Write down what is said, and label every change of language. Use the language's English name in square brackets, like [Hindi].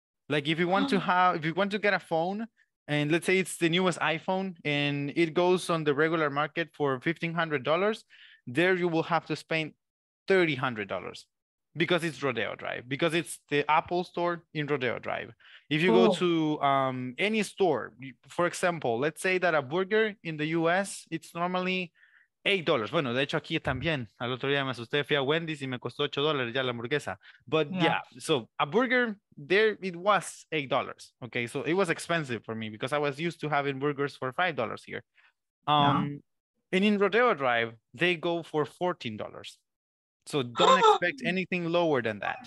[English] Like if you want to get a phone, and let's say it's the newest iPhone, and it goes on the regular market for $1,500, there you will have to spend $300 because it's Rodeo Drive, because it's the Apple store in Rodeo Drive. If you go to any store, for example, let's say that a burger in the US, it's normally $8. [Spanish] Bueno, de hecho aquí también, al otro día me asusté, fui a Wendy's y me costó $8 ya la hamburguesa. [English] But yeah, so a burger there, it was $8. Okay, so it was expensive for me because I was used to having burgers for $5 here. And in Rodeo Drive, they go for $14. So don't expect anything lower than that.